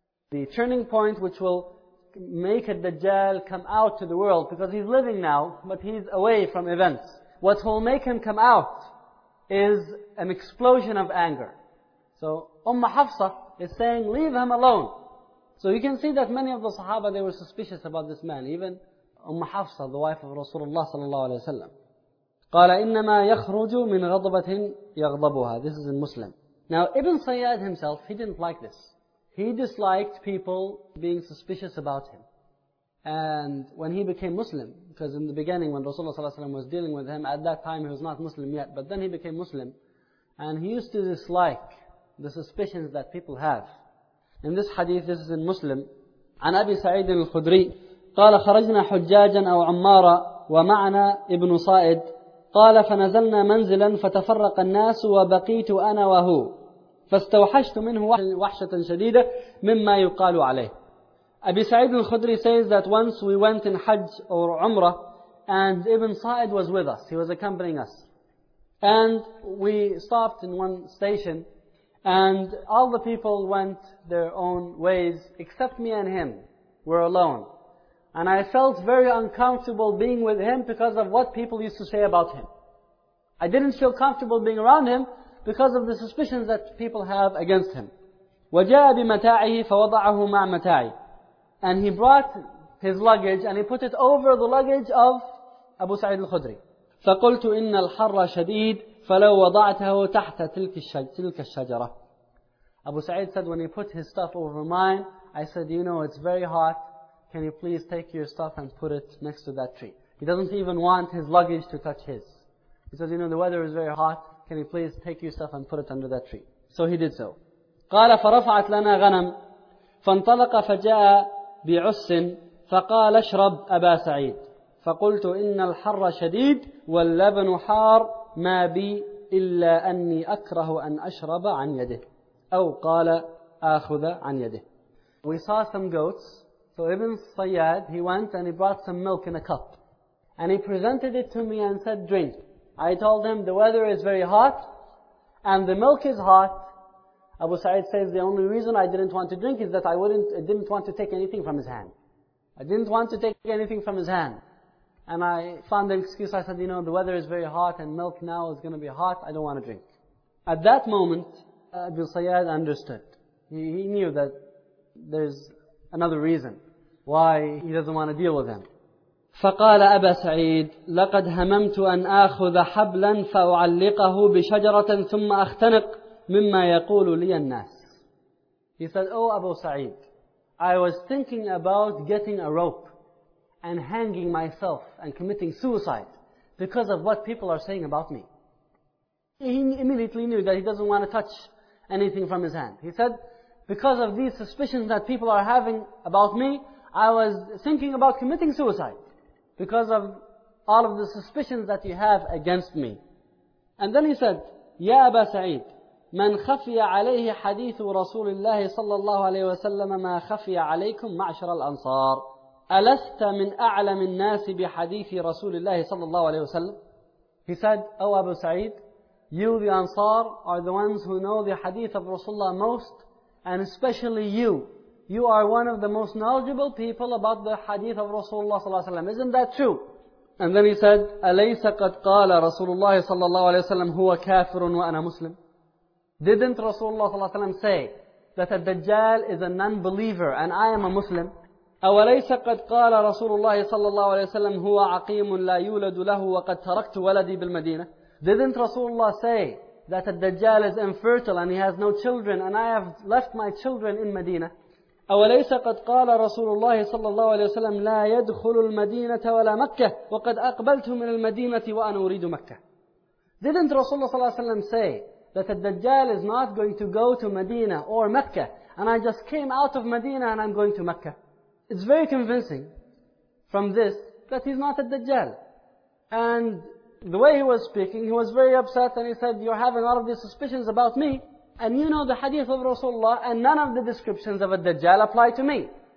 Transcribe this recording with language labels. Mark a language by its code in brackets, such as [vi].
[en] The turning point which will make a Dajjal come out to the world, because he's living now, but he's away from events. What will make him come out is an explosion of anger. So Umm Hafsa is saying, leave him alone. So you can see that many of the Sahaba, they were suspicious about this man. Even Umm Hafsa, the wife of Rasulullah sallallahu alayhi wa sallam. [ar] قال إنما يخرج من غضبة يغضبها. [en] This is in Muslim. Now Ibn Sayyad himself, he didn't like this. He disliked people being suspicious about him. And when he became Muslim, because in the beginning when Rasulullah ﷺ was dealing with him, at that time he was not Muslim yet, but then he became Muslim. And he used to dislike the suspicions that people have. In this hadith, this is in Muslim. [ar] عن أبي سعيد الخدري قال خرجنا حجاجا أو عمارا ومعنا ابن صائد قال فنزلنا منزلا فتفرق الناس وبقيت أنا وهو فاستوحشت منه وحشة شديدة مما يقال عليه. [en] أبي سعيد الخدري says that once we went in Hajj or Umrah and Ibn Sa'id was with us. He was accompanying us. And we stopped in one station and all the people went their own ways except me and him. We're alone. And I felt very uncomfortable being with him because of what people used to say about him. I didn't feel comfortable being around him because of the suspicions that people have against him. [ar] وَجَاءَ بِمَتَاعِهِ فَوَضَعَهُ مَعْ مَتَاعِهِ. [en] And he brought his luggage and he put it over the luggage of Abu Sa'id al-Khudri. [ar] فَقُلْتُ إِنَّ الْحَرَّ شَدِيدٌ فَلَوْ وَضَعْتَهُ تَحْتَ تِلْكَ الشَّجَرَةِ. [en] Abu Sa'id said, when he put his stuff over mine, I said, you know, it's very hot. Can you please take your stuff and put it next to that tree? He doesn't even want his luggage to touch his. He says, you know, the weather is very hot. Can you please take your stuff and put it under that tree? So he did so. [ar] قال فرفعت لنا غنم فانطلق فجاء بعس فقال اشرب أبا سعيد فقلت إن الحر شديد واللبن حار ما بي إلا أني أكره أن أشرب عن يده أو قال آخذ عن يده. [en] We saw some goats. So Ibn Sayyad, he went and he brought some milk in a cup. And he presented it to me and said, drink. I told him, the weather is very hot, and the milk is hot, Abu Sa'id says, the only reason I didn't want to drink is that I didn't want to take anything from his hand. I didn't want to take anything from his hand. And I found an excuse. I said, you know, the weather is very hot and milk now is going to be hot. I don't want to drink. At that moment, Abu Sayyad understood. He knew that there's another reason why he doesn't want to deal with him. [ar] فقال أبا سعيد لقد هممت أن آخذ حبلا فأعلقه بشجرة ثم أختنق مما يقول لي الناس. [en] He said, oh Abu Sa'id, I was thinking about getting a rope and hanging myself and committing suicide because of what people are saying about me. He immediately knew that he doesn't want to touch anything from his hand. He said, because of these suspicions that people are having about me, I was thinking about committing suicide because of all of the suspicions that you have against me. And then he said, Ya Aba Sa'id, [ar] من خفي عليه حديث رسول الله صلى الله عليه وسلم ما خفي عليكم معشر الأنصار ألست من أعلم الناس بحديث رسول الله صلى الله عليه وسلم. [en] He said, oh Abu Sa'id, you the Ansar are the ones who know the hadith of Rasulullah most, and especially you. You are one of the most knowledgeable people about the hadith of Rasulullah صلى الله عليه وسلم. Isn't that true? And then he said, [ar] أليس قد قال رسول الله صلى الله عليه وسلم هو كافر وأنا مسلم. [en] Didn't Rasulullah صلى الله عليه وسلم say that الدجال is a non-believer and I am a Muslim? [ar] أوليس قد قال رسول الله صلى الله عليه وسلم هو عقيم لا يولد له وقد تركت ولدي بالمدينة؟ [en] Didn't Rasulullah say that الدجال is infertile and he has no children and I have left my children in Medina? [ar] أوليس قد قال رسول الله صلى الله عليه وسلم لا يدخل المدينة ولا مكة وقد أقبلت من المدينة وأنا أريد مكة؟ [en] Didn't Rasulullah صلى الله عليه وسلم say that the Dajjal is not going to go to Medina or Mecca, and I just came out of Medina and I'm going to Mecca? It's very convincing from this that he's not a Dajjal. And the way he was speaking, he was very upset and he said, you're having all of these suspicions about me, and you know the hadith of Rasulullah, and none of the descriptions of a Dajjal apply to me.